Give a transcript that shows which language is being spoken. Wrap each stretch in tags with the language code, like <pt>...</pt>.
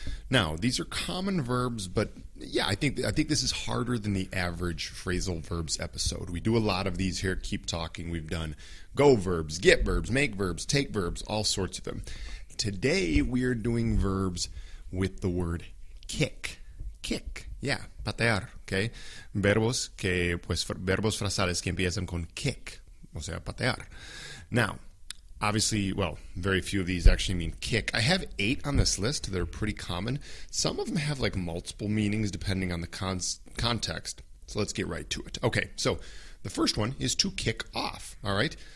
<en>Now, these are common verbs, but yeah, I think this is harder than the average phrasal verbs episode. We do a lot of these here at Keep Talking. We've done go verbs, get verbs, make verbs, take verbs, all sorts of them. Today, we are doing verbs with the word kick. Kick, yeah,</en> <es>patear,</es> <en>okay?</en> <es>Verbos que, pues, verbos frasales que empiezan con kick. O sea, patear.</es> <en>Now, obviously, well, very few of these actually mean kick. I have 8 on this list. They're pretty common. Some of them have like multiple meanings depending on the context. So let's get right to it. Okay, so the first one is to kick off, all right?</en>